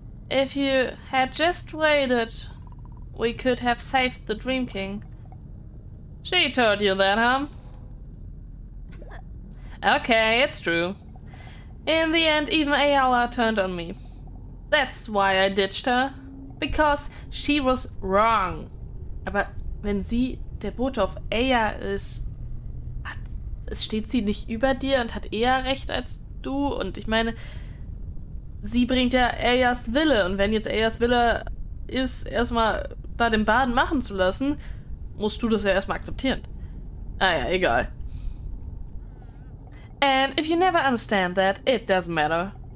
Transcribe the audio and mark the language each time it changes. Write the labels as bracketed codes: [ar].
[en] If you had just waited, we could have saved the Dream King. She told you that, huh? Okay, it's true. In the end, even Ayala turned on me. That's why I ditched her. Because she was wrong. [de] Aber wenn sie der Bote auf Ea ist, steht sie nicht über dir und hat eher recht als du? Und ich meine, sie bringt ja Eas Wille. Und wenn jetzt Eas Wille ist, erstmal da den Baden machen zu lassen, musst du das ja erstmal akzeptieren. Ah ja, egal. [en] And if you never understand that, it doesn't matter.